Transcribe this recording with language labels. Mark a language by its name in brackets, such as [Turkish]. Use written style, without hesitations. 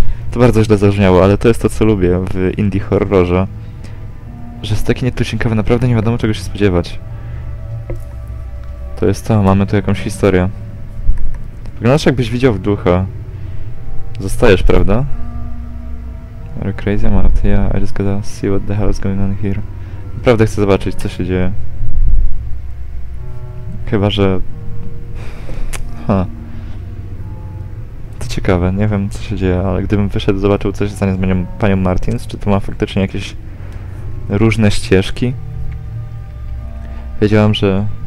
[Polish] To bardzo źle zabrzmiało, ale to jest to, co lubię w indie horrorze. Że jest taki nietuzinkowy, naprawdę nie wiadomo, czego się spodziewać. To jest to, mamy tu jakąś historię. Wyglądasz, jakbyś widział w ducha. Zostajesz, prawda? [English] Are you crazy, Martia? I just gotta see what the hell is going on here. [Polish] Naprawdę chcę zobaczyć, co się dzieje. Chyba, że... Ha. To ciekawe, nie wiem, co się dzieje, ale gdybym wyszedł, zobaczył, co się stanie z panią Martins, czy to ma faktycznie jakieś... różne ścieżki. Wiedziałam, że...